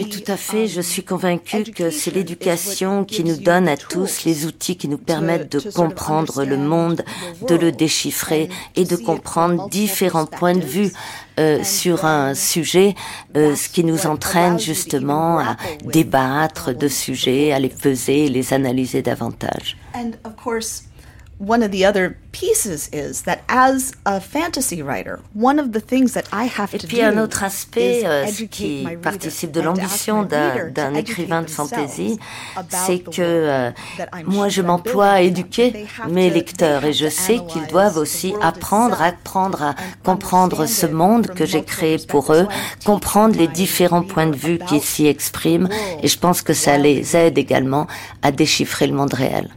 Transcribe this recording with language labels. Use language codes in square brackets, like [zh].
[fr] Et tout à fait, je suis convaincue que c'est l'éducation qui nous donne à tous les outils qui nous permettent de comprendre le monde, de le déchiffrer et de comprendre différents points de vue sur un sujet, ce qui nous entraîne justement à débattre de sujets, à les peser, les analyser davantage. [en] And of course, one of the other pieces is that as a fantasy writer, one of the things that I have to do. [fr] Et puis un autre aspect qui participe de l'ambition d'un écrivain de fantasy, c'est que moi je m'emploie à éduquer mes lecteurs et je sais qu'ils doivent aussi apprendre à comprendre ce monde que j'ai créé pour eux, comprendre les différents points de vue qui s'y expriment, et je pense que ça les aide également à déchiffrer le monde réel.